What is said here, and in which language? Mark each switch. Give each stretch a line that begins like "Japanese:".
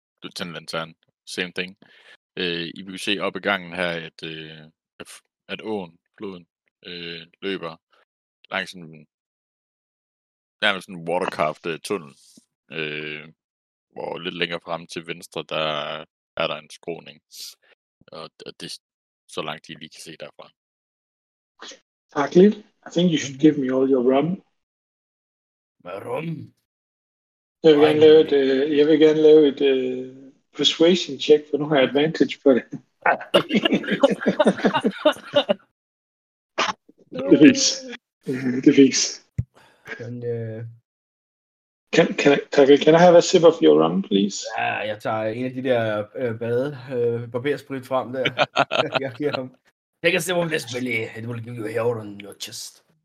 Danish: Du tændte lanterne.
English: Same thing.
Danish: I vil se op i gangen her, at åen, floden, løber langs en nærmest en watercraft tunnel. Hvor lidt længere frem til venstre, der er der en skråning. Og det er så langt, I lige kan se derfra.
English: Fakkel, I think you should give me all your rum. Rum?
Danish: Jeg vil gerne lave et persuasion check, for nu har jeg advantage på det. Det fiks.
English: Can I have a sip of your rum, please?
Danish: Ja, jeg tager en af de der barbersprit frem der. Jeg giver ham.
English: Take a sip of this, Billy. It will give you hair on your chest.